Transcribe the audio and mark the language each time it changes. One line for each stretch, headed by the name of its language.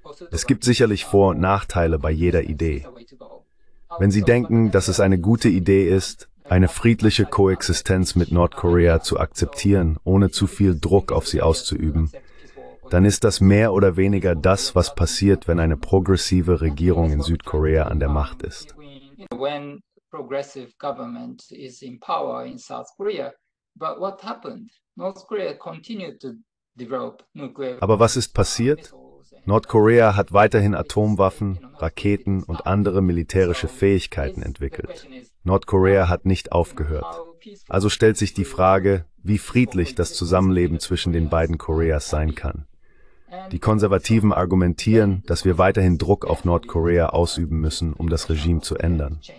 German: Es gibt sicherlich Vor- und Nachteile bei jeder Idee. Wenn Sie denken, dass es eine gute Idee ist, eine friedliche Koexistenz mit Nordkorea zu akzeptieren, ohne zu viel Druck auf sie auszuüben, dann ist das mehr oder weniger das, was passiert, wenn eine progressive Regierung in Südkorea an der Macht ist.
English: When progressive government is in power in South Korea, but what happened? North Korea continued to develop nuclear.
German: Aber was ist passiert? Nordkorea hat weiterhin Atomwaffen, Raketen und andere militärische Fähigkeiten entwickelt. Nordkorea hat nicht aufgehört. Also stellt sich die Frage, wie friedlich das Zusammenleben zwischen den beiden Koreas sein kann. Die Konservativen argumentieren, dass wir weiterhin Druck auf Nordkorea ausüben müssen, um das Regime zu ändern.